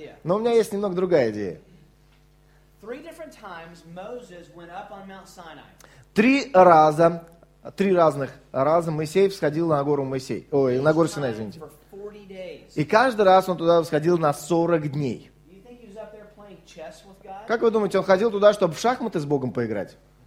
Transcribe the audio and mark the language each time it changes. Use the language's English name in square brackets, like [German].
[Russian] Но у меня есть немного другая идея. [English] Three different times Moses went up on Mount Sinai. [Russian] Три разных раза Моисей всходил на гору Моисей. Ой, на гору Синай, извините. И каждый раз он туда всходил на 40 дней. [English] You think he was up there playing chess with God? [Russian] Как вы думаете, он ходил туда, чтобы в шахматы с Богом поиграть?